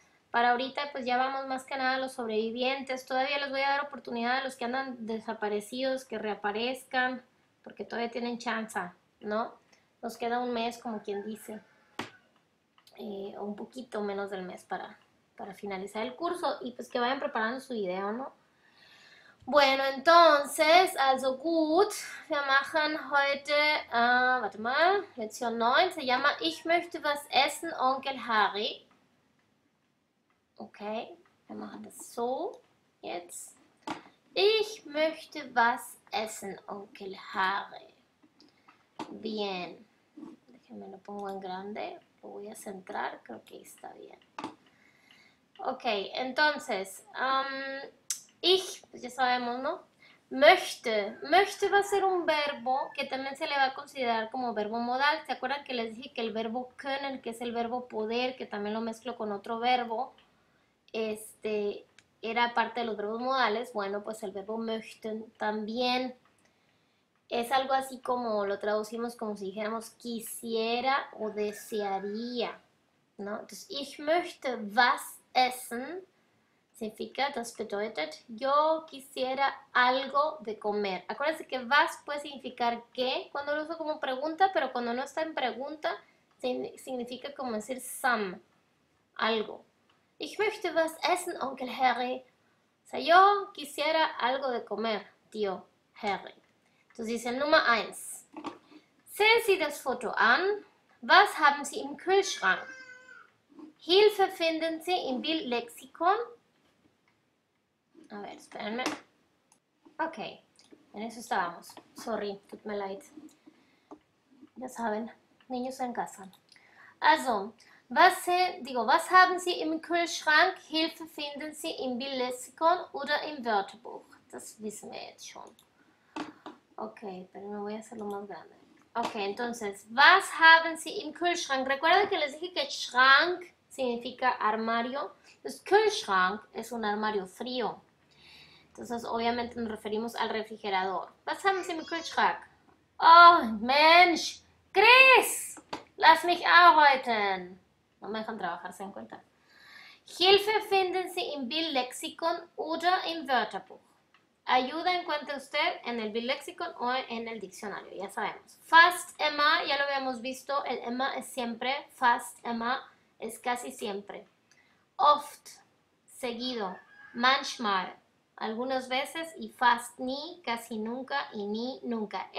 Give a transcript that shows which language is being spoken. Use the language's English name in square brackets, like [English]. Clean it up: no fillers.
[Spanish] Para ahorita, pues ya vamos más que nada a los sobrevivientes. Todavía les voy a dar oportunidad a los que andan desaparecidos que reaparezcan, porque todavía tienen chance, ¿no? Nos queda un mes, como quien dice, o un poquito menos del mes para finalizar el curso y pues que vayan preparando su video, ¿no? Bueno, entonces, [German] also gut, wir machen heute, warte mal, Lección 9, [Spanish] se llama [German] Ich möchte was essen, Onkel Harry. Okay, wir machen das so jetzt. Ich möchte was essen, Onkel Harry. [Spanish] Bien, déjenme lo pongo en grande, lo voy a centrar, creo que está bien. Okay, entonces, ich, pues ya sabemos, ¿no? Möchte va a ser un verbo que también se le va a considerar como verbo modal. ¿Se acuerdan que les dije que el verbo können, que es el verbo poder, que también lo mezclo con otro verbo, era parte de los verbos modales? Bueno, pues el verbo möchten también es algo así como lo traducimos como si dijéramos quisiera o desearía, ¿no? [German] Entonces, ich möchte was essen. [Spanish] Significa, [German] das bedeutet, [Spanish] yo quisiera algo de comer. Acuérdense que was puede significar qué cuando lo uso como pregunta, pero cuando no está en pregunta, significa como decir some, algo. [German] Ich möchte was essen, Onkel Harry. [Spanish] O sea, yo quisiera algo de comer, tío Harry. Entonces dice, número 1. [German] Sehen Sie das Foto an. Was haben Sie im Kühlschrank? Hilfe finden Sie im Bildlexikon. [Spanish] A ver, espérenme. Ok, en eso estábamos. Sorry, [German] tut mir leid. [Spanish] Ya saben, niños en casa. [German] Also, was haben Sie im Kühlschrank? Hilfe finden Sie im Bildlexikon oder im Wörterbuch. Das wissen wir jetzt schon. [Spanish] Ok, pero me voy a hacerlo más grande. [German] Ok, entonces, was haben Sie im Kühlschrank? [Spanish] Recuerden que les dije que Schrank significa armario. Pues Kühlschrank es un armario frío. Entonces, obviamente nos referimos al refrigerador. [German] Was haben Sie im Kühlschrank? Oh, Mensch! Chris! Lass mich arbeiten! [Spanish] No me dejan trabajar, se dan cuenta. [German] Hilfe finden Sie im Bildlexikon oder im Wörterbuch. [Spanish] Ayuda encuentre usted en el Bildlexikon o en el diccionario, ya sabemos. Fast Emma, ya lo habíamos visto, el Emma es siempre. Fast Emma es casi siempre. Oft, seguido. Manchmal. Algunas veces y fast ni, casi nunca y ni nunca.